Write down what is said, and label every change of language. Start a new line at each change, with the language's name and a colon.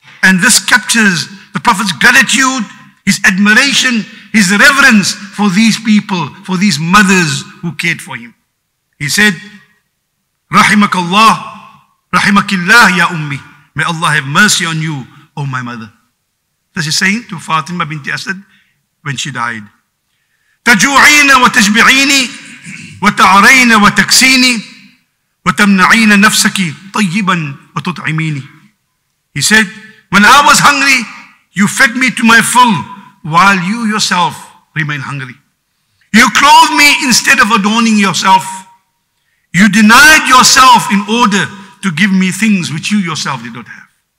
English: And this captures the Prophet's gratitude, his admiration, his reverence for these people, for these mothers who cared for him. He said,
Arabic: Rahimakallah, Rahimakillah, Ya Ummi.
English: May Allah have mercy on you, O my mother. This is saying to Fatima binti Asad when she died.
Arabic: تجوعين وتشبعيني وتعرين وتكسيني وتمنعين نفسك طيبا وتطعميني.
English: He said, when I was hungry, you fed me to my full while you yourself remain hungry. You clothed me instead of adorning yourself. You denied yourself in order to give me things which you yourself did not have.